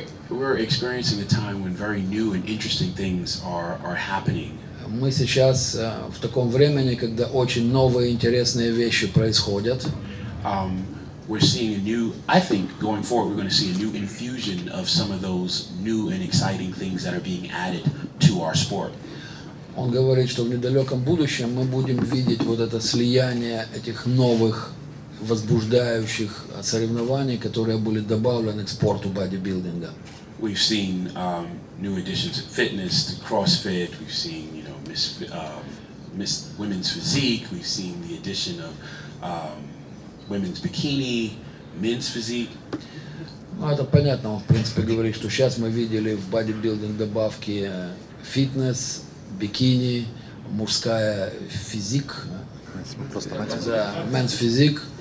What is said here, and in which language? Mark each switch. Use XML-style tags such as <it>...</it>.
<en>We're experiencing a time when very new and interesting things are happening.</en> <ru>Мы сейчас в таком времени, когда очень новые интересные вещи происходят.</ru> <en>We're seeing a new, I think going forward we're going to see a new infusion of some of those new and exciting things that are being added to our sport.</en> <ru>Он говорит, что в недалеком будущем мы будем видеть вот это слияние этих новых возбуждающих соревнований, которые были добавлены к спорту бодибилдинга.</ru> <en>We've seen new additions to fitness, to CrossFit, we've seen, you know, Miss Women's Physique, we've seen the addition of women's bikini, men's physique.</en> <ru>Ну, это понятно, он, в принципе, говорит, что сейчас мы видели в бодибилдинг добавки фитнес, бикини, мужская физик.</ru> <en>Men's physique.</en>